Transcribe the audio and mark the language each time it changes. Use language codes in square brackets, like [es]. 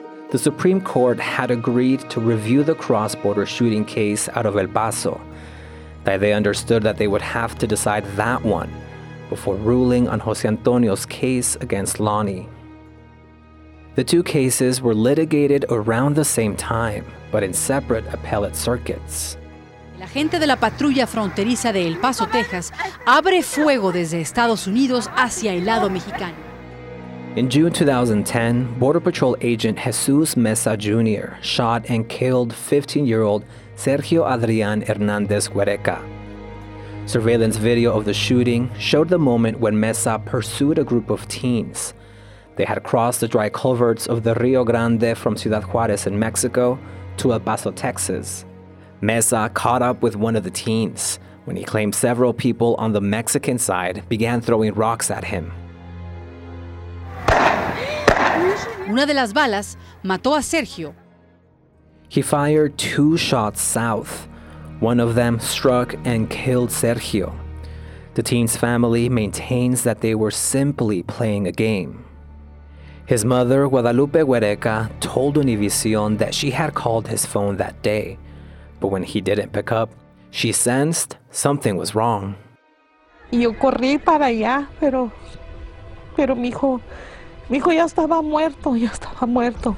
[en] The Supreme Court had agreed to review the cross-border shooting case out of El Paso. They understood that they would have to decide that one before ruling on Jose Antonio's case against Lonnie. The two cases were litigated around the same time, but in separate appellate circuits. [es] El agente de la patrulla fronteriza de El Paso, Texas, abre fuego desde Estados Unidos hacia el lado mexicano. [en] In June 2010, Border Patrol agent Jesus Mesa Jr. shot and killed 15-year-old Sergio Adrián Hernández Huereca. Surveillance video of the shooting showed the moment when Mesa pursued a group of teens. They had crossed the dry culverts of the Rio Grande from Ciudad Juarez in Mexico to El Paso, Texas. Mesa caught up with one of the teens when he claimed several people on the Mexican side began throwing rocks at him. [es] Una de las balas mató a Sergio. [en] He fired two shots south. One of them struck and killed Sergio. The teen's family maintains that they were simply playing a game. His mother, Guadalupe Huereca, told Univision that she had called his phone that day. But when he didn't pick up, she sensed something was wrong. [es] Yo corrí para allá, pero mi hijo Mi hijo ya estaba muerto, ya estaba muerto.